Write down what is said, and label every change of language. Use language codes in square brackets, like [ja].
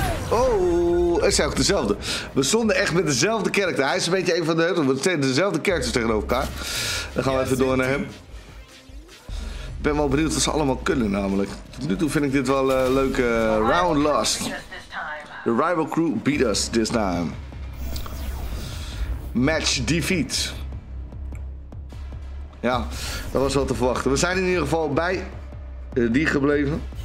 [nl] Oh, het is eigenlijk dezelfde. We stonden echt met dezelfde karakter. Hij is een beetje een van de hele, we zijn dezelfde characters tegenover elkaar. Dan gaan we even door naar hem. Ik ben wel benieuwd wat ze allemaal kunnen namelijk. Tot nu toe vind ik dit wel een leuke round last. [en] The rival crew beat us this time. Match defeat. [nl] Ja, dat was wel te verwachten. We zijn in ieder geval bij die gebleven.